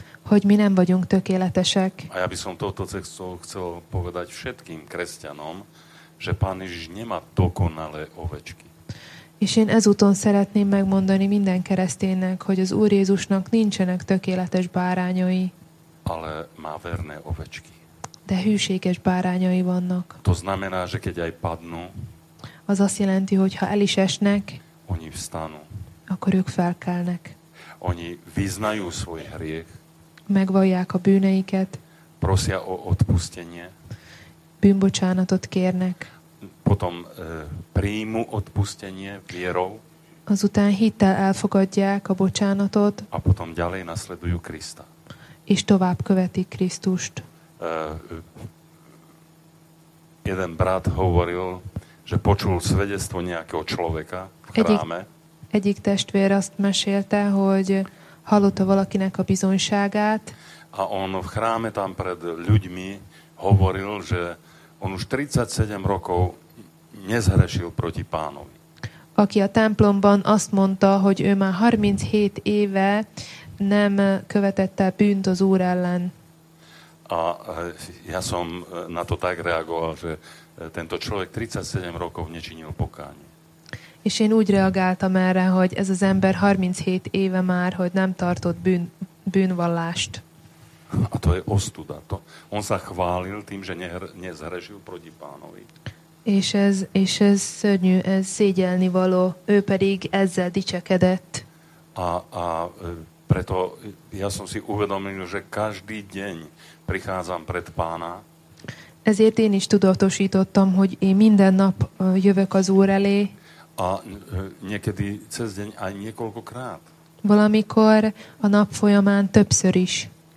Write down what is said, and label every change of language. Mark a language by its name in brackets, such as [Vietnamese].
[Hungarian] Hogy mi nem vagyunk tökéletesek. [Slovak] A ja by som toto chcel povedať všetkým kresťanom, že Pán Ježiš nemá dokonalé ovečky. [Hungarian] És én ezúton szeretném megmondani minden kereszténynek, hogy az Úr Jézusnak nincsenek tökéletes bárányai. [Slovak] Ale má verné ovečky. [Hungarian] De hűséges bárányai vannak. [Slovak] To znamená, že keď aj padnú, [Hungarian] az azt jelenti, hogy ha el is esnek, [Slovak] oni vstanú. [Hungarian] Akkor ők felkelnek. [Slovak] Oni vyznajú svoj hriech. [Hungarian] Megvallják a bűneiket. [Slovak] Prosia o odpustenie. [Hungarian] Bűnbocsánatot kérnek. [Slovak] potom príjmu odpustenie vierou. [Hungarian] Azután hittel elfogadják a bocsánatot. [Slovak] A potom ďalej nasledujú Krista. [Hungarian] És tovább követi Krisztust. [Slovak] Jeden brat hovoril, že počul svedectvo nejakého človeka v chráme. [Hungarian] Egyik testvér azt mesélte, hogy hallotta valakinek a bizonyságát. [Slovak] A on v chráme tam pred ľuďmi hovoril, že on už 37 rokov nezhrešil proti Pánovi. [Hungarian] Aki a templomban azt mondta, hogy ő már 37 éve nem követette bűnt az Úr ellen. [Slovak] A ja som na to tak reagoval, že tento človek 37 rokov nečinil pokánie. És én úgy reagáltam erre, hogy ez az ember 37 éve már, hogy nem tartott bűnvallást. A to je ostuda. To. On sa chválil tým, že nezhrešil proti Pánovi. [Hungarian] És ez szörnyű, ez szégyelni való. Ő pedig ezzel dicsekedett. [Slovak] A preto ja som si uvedomil, že každý deň prichádzam pred Pána. [Hungarian] Ezért én is tudatosítottam, hogy én minden nap jövök az Úr elé. [Slovak] A niekedy cez deň aj niekoľkokrát. [Hungarian] Valamikor a nap folyamán többször is.